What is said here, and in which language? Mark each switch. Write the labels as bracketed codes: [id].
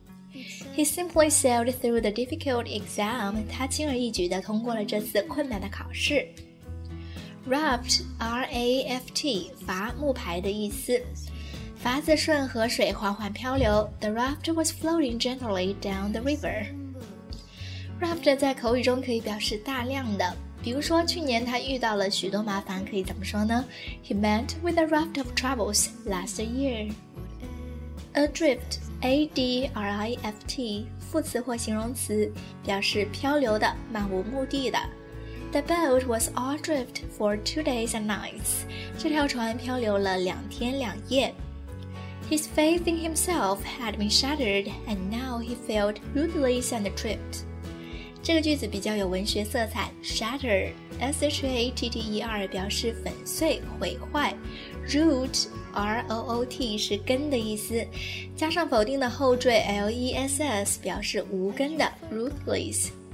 [en] He simply sailed through the difficult exam， [zh] 他轻而易举的通过了这次困难的考试。 Raft, R-A-F-T， 筏木牌的意思，筏子顺河水缓缓漂流。 [en] The raft was floating gently down the river. [zh] Raft 在口语中可以表示大量的，比如说去年他遇到了许多麻烦，可以怎么说呢？ [en] He met with a raft of troubles last year. [zh] Adrift, A-D-R-I-F-T， 副词或形容词，表示漂流的，漫无目的的。 [en] The boat was adrift for 2 days and nights. [zh] 这条船漂流了两天两夜。 [en] His faith in himself had been shattered, and now he felt rootless and adrift. [zh] 这个句子比较有文学色彩。 Shatter, S-H-A-T-T-E-R, 表示粉碎、毁坏。 Root, R-O-O-T, 是根的意思。加上否定的后缀 L-E-S-S, 表示无根的。Rootless.